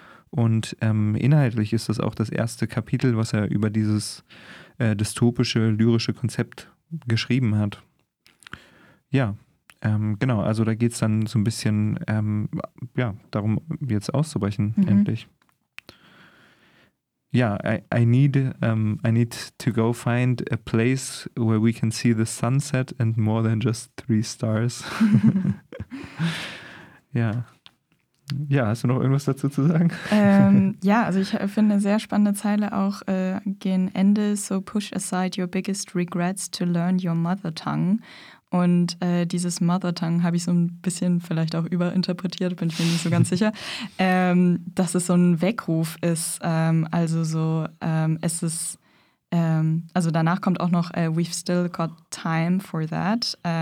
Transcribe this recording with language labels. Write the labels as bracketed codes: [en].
[de] Und inhaltlich ist das auch das erste Kapitel, was er über dieses dystopische, lyrische Konzept geschrieben hat. Ja. Also da geht es dann so ein bisschen darum, jetzt auszubrechen, endlich. [en] Ja, I need to go find a place where we can see the sunset and more than just 3 stars. Ja, [de] Ja, hast du noch irgendwas dazu zu sagen? Ja, also ich finde sehr spannende Zeile auch gegen Ende. [en] So push aside your biggest regrets to learn your mother tongue. [de] Und dieses Mother Tongue habe ich so ein bisschen vielleicht auch überinterpretiert, bin ich mir nicht so ganz sicher, dass es so ein Weckruf ist. Also danach kommt auch noch [en] we've still got time for that.